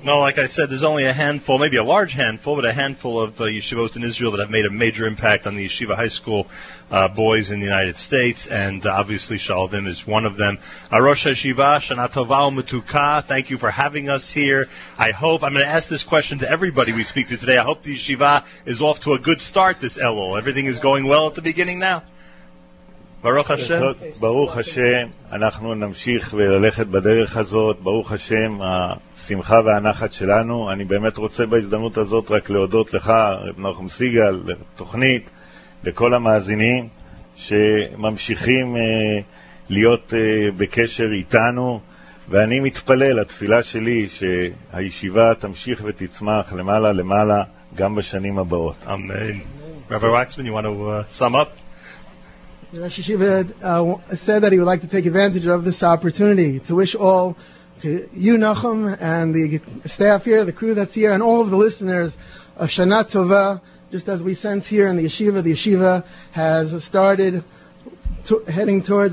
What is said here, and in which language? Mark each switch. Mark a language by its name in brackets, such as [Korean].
[English] Well, like I said, there's only a handful, maybe a large handful, but a handful of yeshivot in Israel that have made a major impact on the yeshiva high school boys in the United States, and obviously Sha'alvim is one of them. Rosh Yeshiva, Shana Tova Umetuka, thank you for having us here. I hope, I'm going to ask this question to everybody we speak to today, I hope the yeshiva is off to a good start this Elul. Everything is going well at the beginning now. [Hebrew] ברוך השם. ברוך השם, אנחנו נמשיך וללכת בדרך הזאת. ברוך השם, השמחה והנחת שלנו. אני באמת רוצה בהזדמנות הזאת רק להודות לך, רב נחום סיגל, לתוכנית, לכל המאזינים שממשיכים להיות בקשר איתנו, ואני מתפלל, התפילה שלי, שהישיבה תמשיך ותצמח למעלה למעלה גם בשנים הבאות. אמן. [English] רבי וקסמן, you want to sum up? Rosh Yeshiva said that he would like to take advantage of this opportunity to wish all, to you, Nachum, and the staff here, the crew that's here, and all of the listeners, a Shana Tova, just as we sense here in the yeshiva. The yeshiva has started heading towards.